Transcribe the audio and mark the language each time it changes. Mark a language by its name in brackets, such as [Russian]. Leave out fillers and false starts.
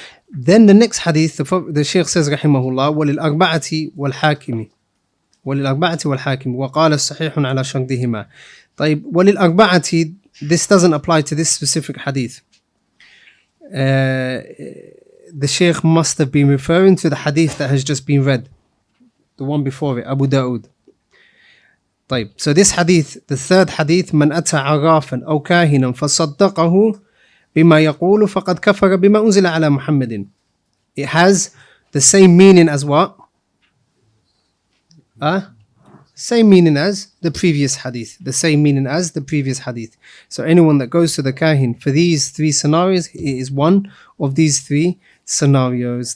[Arabic] Then the next hadith, the Shaykh says, Rahimahullah, وَلِلْأَرْبَعَةِ وَالْحَاكِمِ وَلِلْأَرْبَعَةِ وَالْحَاكِمِ وَقَالَ السَّحِيحٌ عَلَى شَرْدِهِمَا طيب, وَلِلْأَرْبَعَةِ, [English] this doesn't apply to this specific hadith. The Shaykh must have been referring to the hadith that has just been read, the one before it, Abu Dawood. [Arabic] طيب, [English] so this hadith, the third hadith, [Arabic] من أتى عرافا أو كاهنا فصدقه بما يقول فقد كفر بما أنزل على محمد. [English] It has the same meaning as what? Same meaning as the previous hadith. The same meaning as the previous hadith. So anyone that goes to the kahin for these three scenarios, it is one of these three scenarios.